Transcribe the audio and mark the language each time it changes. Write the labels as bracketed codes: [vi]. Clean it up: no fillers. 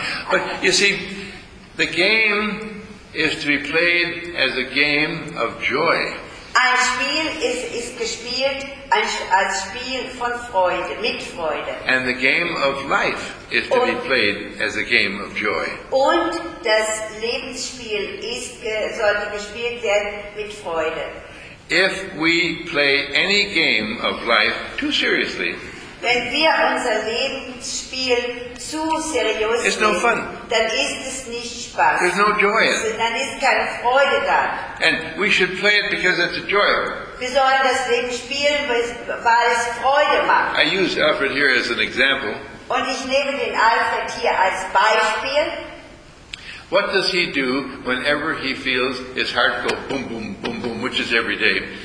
[en] But you see, the game is to be played as a game of joy. [de] Ein Spiel ist gespielt als Spiel von Freude, mit Freude. [en] And the game of life is to be played as a game of joy. [de] Und das Lebensspiel sollte gespielt werden mit Freude. [en] If we play any game of life too seriously, [de] wenn wir unser Lebensspiel zu seriös [en] it's [de] nehmen, [en] no fun. [de] Dann ist es nicht Spaß. [en] There's no joy in it. [de] Dann ist keine Freude da. [en] And we should play it because it's a joy. [de] Wir sollen das Leben spielen, weil es Freude macht. [en] I use Alfred here as an example. [de] Und ich nehme den Alfred hier als Beispiel. [en] What does he do whenever he feels his heart go boom, boom, boom? boom, boom, which is every day.